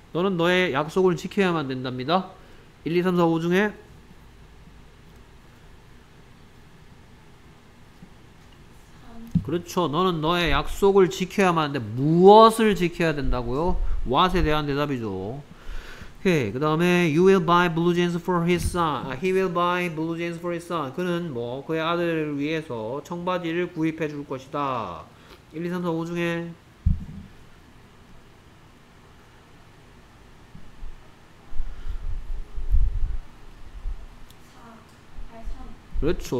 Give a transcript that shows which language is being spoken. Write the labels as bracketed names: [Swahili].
[Korean] 너는 너의 약속을 지켜야만 된답니다. 1, 2, 3, 4, 5 중에 그렇죠. 너는 너의 약속을 지켜야만 하는데 무엇을 지켜야 된다고요? What에 대한 대답이죠. 오케이. 그 다음에 [English] You will buy blue jeans for his son. He will buy blue jeans for his son. [Korean] 그는 뭐 그의 아들을 위해서 청바지를 구입해 줄 것이다. 1, 2, 3, 4, 5 중에 그렇죠.